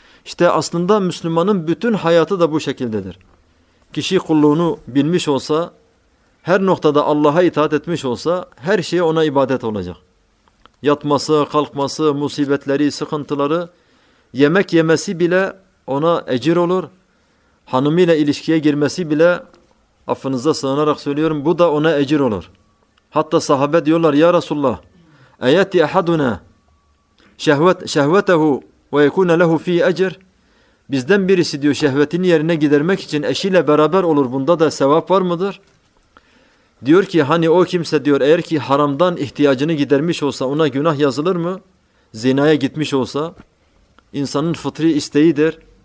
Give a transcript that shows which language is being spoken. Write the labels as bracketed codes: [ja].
[tr] İşte aslında Müslümanın bütün hayatı da bu şekildedir. Kişi kulluğunu bilmiş olsa, her noktada Allah'a itaat etmiş olsa, her şey ona ibadet olacak. Yatması, kalkması, musibetleri, sıkıntıları, yemek yemesi bile ona ecir olur. Hanımıyla ilişkiye girmesi bile, affınıza sığınarak söylüyorum, bu da ona ecir olur. Hatta sahabe diyorlar, ya Resulullah, [ar] اَيَتِ اَحَدُنَا شَهْوَتَهُ وَيَكُونَ لَهُ ف۪ي اَجِرْ. [tr] Bizden birisi diyor, şehvetini yerine gidermek için eşiyle beraber olur, bunda da sevap var mıdır? Diyor ki, hani o kimse diyor, eğer ki haramdan ihtiyacını gidermiş olsa ona günah yazılır mı? Zinaya gitmiş olsa, insanın fıtri isteğidir.